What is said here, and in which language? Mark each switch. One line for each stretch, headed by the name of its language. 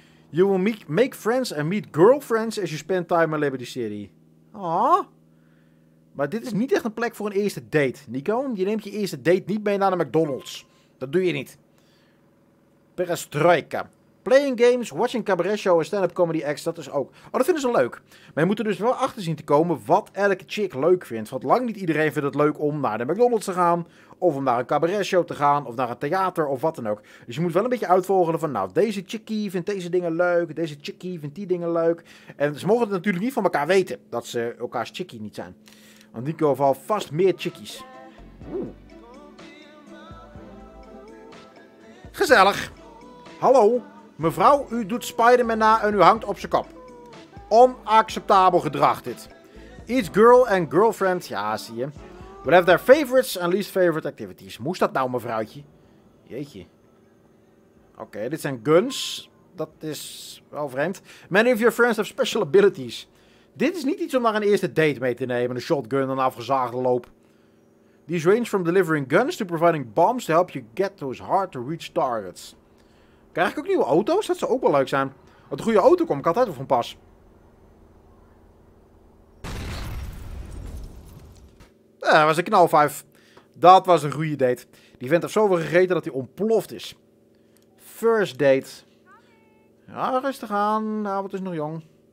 English: You will make friends and meet girlfriends as you spend time in Liberty City. Ah.
Dutch: Maar dit is niet echt een plek voor een eerste date, Nico. Je neemt je eerste date niet mee naar de McDonald's. Dat doe je niet. Perestroika.
English: Playing games, watching cabaret show en stand-up comedy acts,
Dutch: dat is ook... Oh, dat vinden ze leuk. Maar je moet er dus wel achter zien te komen wat elke chick leuk vindt. Want lang niet iedereen vindt het leuk om naar de McDonald's te gaan. Of om naar een cabaret show te gaan. Of naar een theater of wat dan ook. Dus je moet wel een beetje uitvogelen van... Nou, deze chickie vindt deze dingen leuk. Deze chickie vindt die dingen leuk. En ze mogen het natuurlijk niet van elkaar weten. Dat ze elkaars chickie niet zijn. Want die komen al vast meer chickies. Gezellig. Hallo. Mevrouw, u doet Spider-Man na en u hangt op zijn kop. Onacceptabel gedrag dit.
English: Each girl and girlfriend,
Dutch: ja zie je.
English: We have their favorites and least favorite activities.
Dutch: Moest dat nou, mevrouwtje? Jeetje. Oké, dit zijn guns. Dat is wel vreemd.
English: Many of your friends have special abilities.
Dutch: Dit is niet iets om naar een eerste date mee te nemen. Een shotgun en een afgezaagde loop.
English: These range from delivering guns to providing bombs to help you get those hard to reach targets.
Dutch: Krijg ik ook nieuwe auto's? Dat zou ook wel leuk zijn. Want een goede auto kom ik altijd van pas. Ja, dat was een knalvijf. Dat was een goede date. Die vent heeft zoveel gegeten dat hij ontploft is.
English: First date.
Dutch: Ja, rustig aan. De avond is nog jong.